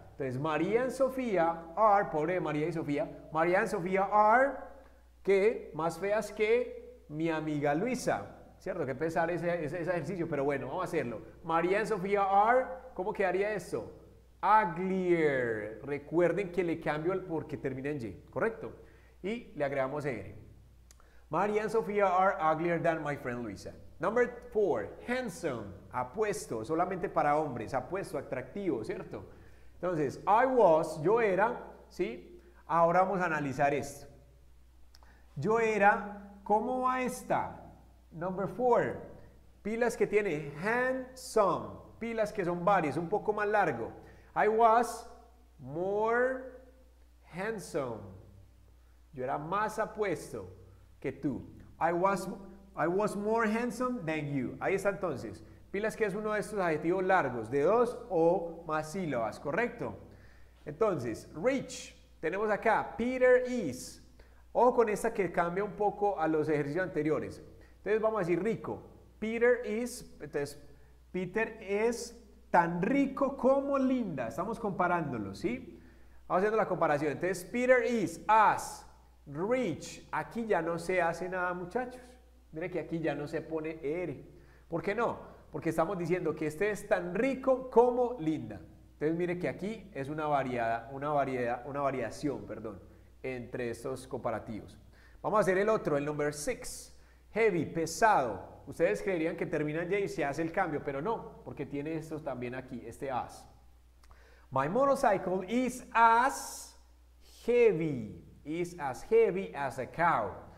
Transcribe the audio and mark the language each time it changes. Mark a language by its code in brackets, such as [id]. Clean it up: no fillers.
[es] Entonces, María y Sofía are, pobre María y Sofía, María y Sofía are, ¿qué? Más feas que mi amiga Luisa. ¿Cierto? Qué pesar ese ejercicio, pero bueno, vamos a hacerlo. María y Sofía are, ¿cómo quedaría esto? Uglier. Recuerden que le cambio el porque termina en Y, ¿correcto? Y le agregamos ER. [en] Mary and Sophia are uglier than my friend Luisa. Number four, handsome. [es] Apuesto, solamente para hombres. Apuesto, atractivo, ¿cierto? Entonces, [en] I was, [es] yo era, ¿sí? Ahora vamos a analizar esto. Yo era, ¿cómo va esta? [en] Number four, [es] pilas que tiene, handsome. Pilas que son varias, un poco más largo. [en] I was more handsome. [es] Yo era más apuesto que tú. [en] I was more handsome than you. [es] Ahí está entonces. Pilas que es uno de estos adjetivos largos, de dos o más sílabas, ¿correcto? Entonces, rich. Tenemos acá, [en] Peter is. [es] Ojo con esta que cambia un poco a los ejercicios anteriores. Entonces vamos a decir rico. [en] Peter is. [es] Entonces, Peter es tan rico como linda. Estamos comparándolo, ¿sí? Vamos haciendo la comparación. [en] Entonces, Peter is as rich. [es] Aquí ya no se hace nada, muchachos. Mire que aquí ya no se pone ere. ¿Por qué no? Porque estamos diciendo que este es tan rico como linda. Entonces, mire que aquí es una variación, perdón, entre estos comparativos. Vamos a hacer el otro, el [en] number six. [es] Heavy, pesado. Ustedes creerían que termina en Y y se hace el cambio, pero no, porque tiene esto también aquí, este as. [en] My motorcycle is as heavy as a cow.